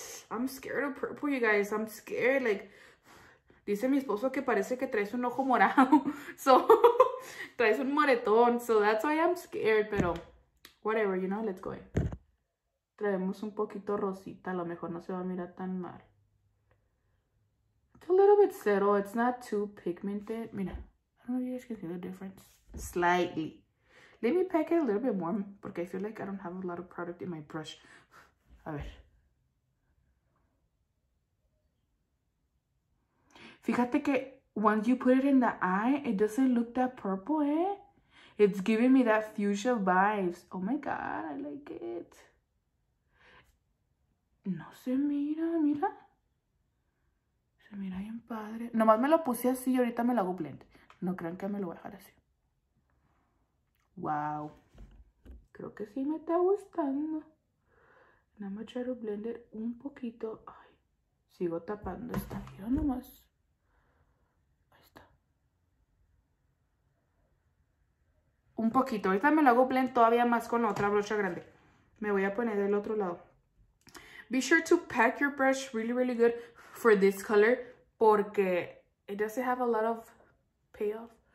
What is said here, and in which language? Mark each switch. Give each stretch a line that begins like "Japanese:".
English: I'm scared of purple, you guys. I'm scared. Like,
Spanish: dice mi esposo que parece que traes un ojo morado.
English: So,
Spanish: traes un moretón.
English: So, that's why I'm scared.
Spanish: Pero,
English: whatever, you know, let's go in.
Spanish: Traemos un poquito rosita. A lo mejor no se va a mirar tan mal.
English: It's a little bit subtle. It's not too pigmented. Mira, I don't know if you guys can see the difference. Slightly. Let me pack it a little bit more porque I feel like I don't have a lot of product in my brush.
Spanish: A ver. Fíjate que
English: once you put it in the eye, it doesn't look that purple, ¿eh? It's giving me that fuchsia vibes. Oh my God, I like it.
Spanish: No se mira, mira. Se mira bien padre. Nomás me lo puse así y ahorita me lo hago blend. No crean que me lo voy a dejar así. Wow, creo que sí me está gustando. Nada más echar un blender un poquito. Ay, sigo tapando esta mira nomás. Un poquito. Ahorita me lo hago blend todavía más con otra brocha grande. Me voy a poner del otro lado.
English: Be sure to pack your brush really, really good for this color porque it doesn't have a lot of payoff.